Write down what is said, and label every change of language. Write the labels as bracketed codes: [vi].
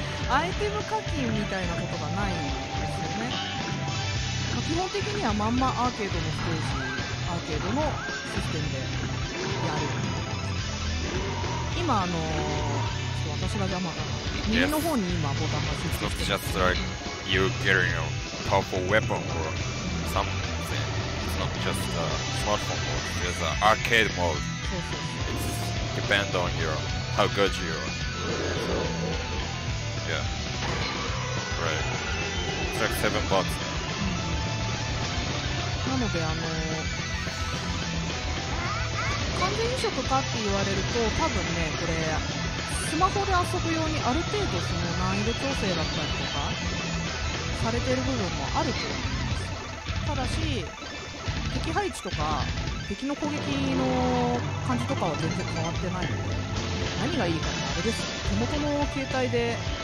[ja] アイテム課金みたいなことがないんですよね、まあ、基本的にはまんまアーケードのステージ、アーケードのシステムでやる、今ちょっと私が邪魔だな、右の方に今ボタンが設定してる、 [en] It's not just like you getting a powerful weapon or something, it's not just a smartphone mode, there's an arcade mode, [ja] そうそうそう、 [en] it's depend on your how good you are、so,Yeah. Right. It's like $7. [ja] なので完全移植かって言われると多分ね、これスマホで遊ぶようにある程度その難易度調整だったりとかされてる部分もあると思います、ただし敵配置とか敵の攻撃の感じとかは全然変わってないので、何がいいかってあれです、手元の携帯で